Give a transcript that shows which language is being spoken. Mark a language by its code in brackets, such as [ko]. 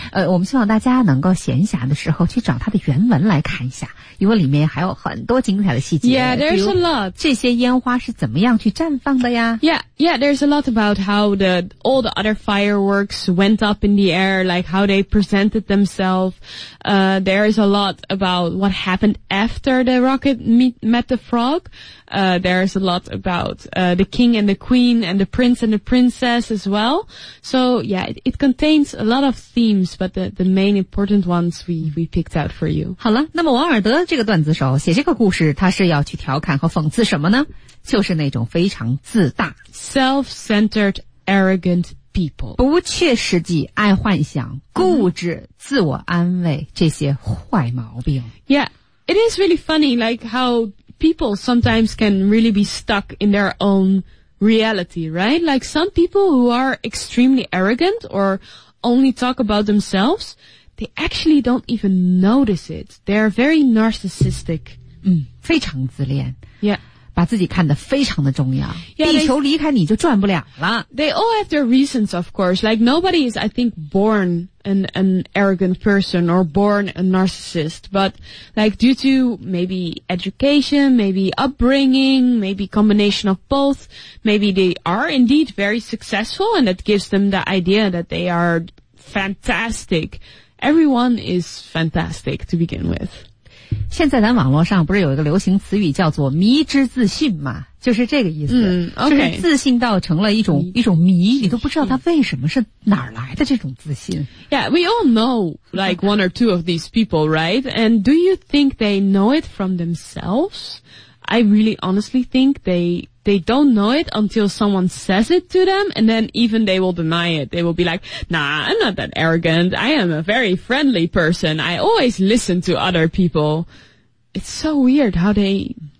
[zh] 我们希望大家能够闲暇的时候去找它的原文来看一下，因为里面还有很多精彩的细节。 [en] Yeah, there's a lot. [zh] 这些烟花是怎么样去绽放的呀？ [en] Yeah, there's a lot about how all the other fireworks went up in the air, like how they presented themselves. There is a lot about what happened after the rocket met the frog. There is a lot about the king and the queen and the prince and the princess as well. So yeah, it contains a lot of themes, but the main important ones we picked out for you. [zh] 好了，那么王尔德这个段子手写这个故事，他是要去调侃和讽刺什么呢？就是那种非常自大 [en] self-centered arrogant people [zh] 不切实际爱幻想固执、mm-hmm. 自我安慰这些坏毛病。 [en] Yeah, it is really funny like how people sometimes can really be stuck in their own reality, right? Like some people who are extremely arrogant or only talk about themselves, they actually don't even notice it. They're very narcissistic. [zh] 嗯，非常自恋。 [en] Yeah. [zh] 把自己看得非常的重要 [en] yeah, [zh] 地球离开你就转不了了 [en] They all have their reasons of course Like nobody is I think born an arrogant person or born a narcissist But like due to maybe education Maybe upbringing Maybe combination of both Maybe they are indeed very successful And that gives them the idea that they are fantastic Everyone is fantastic to begin with [zh] 现在咱网络上不是有一个流行词语叫做迷之自信吗？就是这个意思、 [en] okay. [zh] 就是自信到成了一种迷你都不知道它为什么是哪儿来的这种自信 [en] Yeah, we all know like one or two of these people, right? And do you think they know it from themselves? I really honestly think they don't know it until someone says it to them and then even they will deny it. They will be like, nah, I'm not that arrogant. I am a very friendly person. I always listen to other people. It's so weird how they,